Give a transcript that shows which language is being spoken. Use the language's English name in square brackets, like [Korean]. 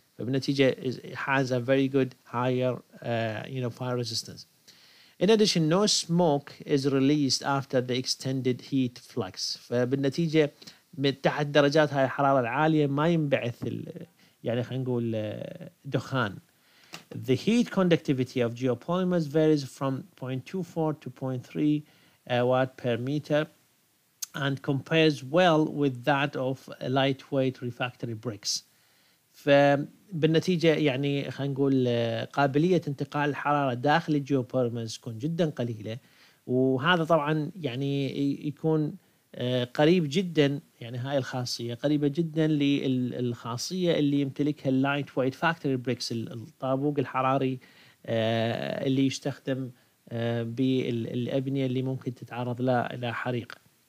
[Arabic] فبالنتيجة [English] has a very good higher fire resistance. In addition, no smoke is released after the extended heat flux. [Arabic] فبالنتيجة تحت درجات هاي الحرارة العالية ما ينبعث خلينا نقول دخان. [English] The heat conductivity of geopolymers varies from 0.24 to 0.3 watt per meter and compares well with that of lightweight refractory bricks. [Arabic] فبالنتيجة خلينا نقول قابلية انتقال الحرارة داخل الجيوبوليمرز تكون جدا قليلة، وهذا طبعا يكون قريب جدا هاي الخاصية قريبة جدا للخاصية اللي يمتلكها اللايت وايت فاكتوري بريكس، الطابوق الحراري اللي يستخدم بالأبنية اللي ممكن تتعرض لها إلى حريق.